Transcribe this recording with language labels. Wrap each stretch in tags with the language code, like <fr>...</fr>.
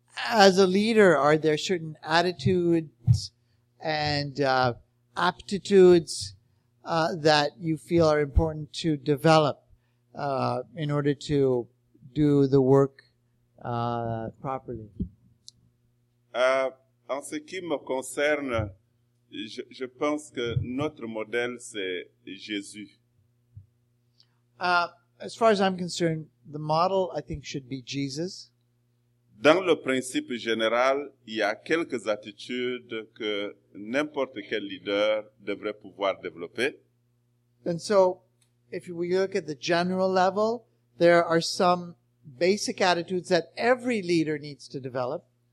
<en>As a leader, are there certain attitudes and aptitudes that you feel are important to develop in order to do the work properly?</en> <fr>En ce qui me concerne, je pense que notre modèle, c'est Jésus.</fr> <en>As far as I'm concerned, the model, I think, should be Jesus.</en> <fr>Dans le principe général, il y a quelques attitudes que n'importe quel leader devrait pouvoir développer.</fr> <en>And so, if we look at the general level, there are some basic attitudes that every leader needs to develop.</en>